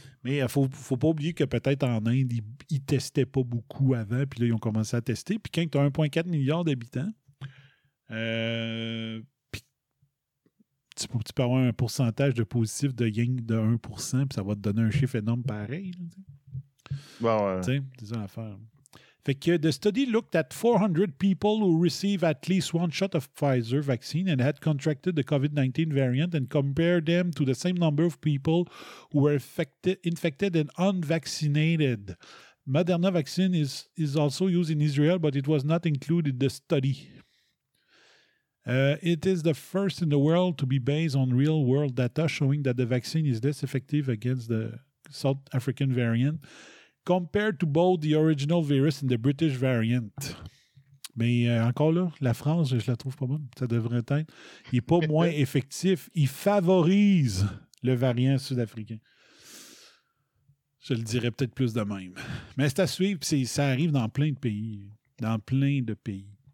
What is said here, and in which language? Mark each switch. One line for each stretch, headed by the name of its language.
French: Mais il ne faut pas oublier que peut-être en Inde, ils ne testaient pas beaucoup avant, puis là, ils ont commencé à tester. Puis quand tu as 1,4 milliard d'habitants, tu peux avoir un pourcentage de positif de yang de 1%, puis ça va te donner un chiffre énorme pareil. Bon, ouais. C'est une affaire. Fait que
English: the study looked at 400 people who received at least one shot of Pfizer vaccine and had contracted the COVID-19 variant and compared them to the same number of people who were infected and unvaccinated. Moderna vaccine is also used in Israel, but it was not included in the study. It is the first in the world to be based on real-world data showing that the vaccine is less effective against the South African variant compared to both the original virus and the British variant.
French: Mais encore là, la France, je la trouve pas bonne. Ça devrait être. Il n'est pas moins effectif. Il favorise le variant sud-africain. Je le dirais peut-être plus de même. Mais c'est à suivre. Ça arrive dans plein de pays. Dans plein de pays.